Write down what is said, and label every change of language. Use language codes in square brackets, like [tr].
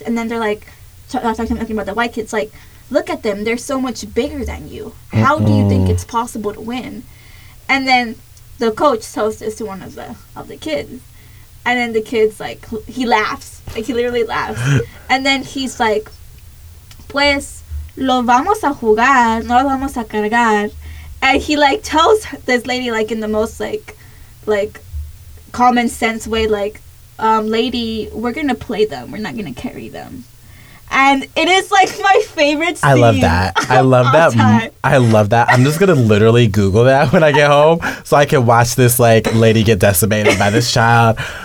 [en] And then they're like, talking about the white kids, like, look at them, they're so much bigger than you. How mm-hmm. do you think it's possible to win? And then the coach tells this to one of the kids. And then the kid's like, he laughs. Like, he literally laughs. And then he's like, [es] pues, lo vamos a jugar, no lo vamos a cargar. [en] And he, like, tells this lady, like, in the most, like, common sense way, like, lady, we're going to play them. We're not going to carry them. And it is, like, my favorite scene. I love that. I love that. I love that. I'm just going to literally Google that when I get home so I can watch this, like, lady get decimated by this child.